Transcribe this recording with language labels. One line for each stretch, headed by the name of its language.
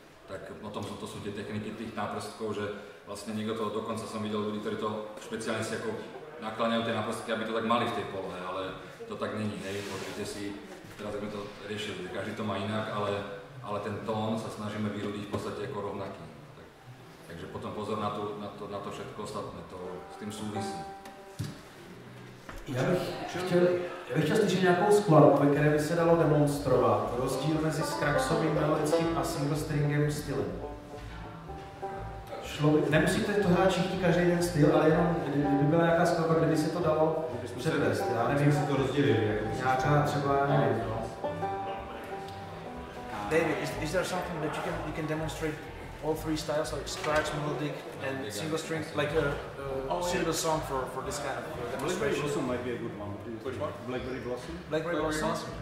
Slovak: Tak o tom to sú tie techniky tých náprstkov, že vlastne niekto to dokonca som videl ľudí, ktorí to špeciálne si ako nakláňajú tie náprstky, aby to tak mali v tej polohe, ale to tak není, hej, pozrite si, teraz sme to riešili, každý to má inak, ale ten tón sa snažíme vyrobiť v podstate ako rovnaký. Takže potom pozor na to všetko ostatné, to s tým súvisí.
Czech: Já bych chtěl slyšet nějakou skladbu, ve které by se dalo demonstrovat rozdíl mezi skraxovým melodickým a single stringem stylem. Nemusíte to hrát všichni každý jeden styl, ale jenom kdyby byla nějaká skladba, kde by se to dalo předvést. Já nevím, jestli to rozdělili. Nějaká třeba, nevím. No.
English: David, is there something that you can demonstrate all three styles, like scratch, melodic, and single string, like a suitable song for this kind of demonstration? Blackberry Blossom might be a good one. Which one? Blackberry Blossom?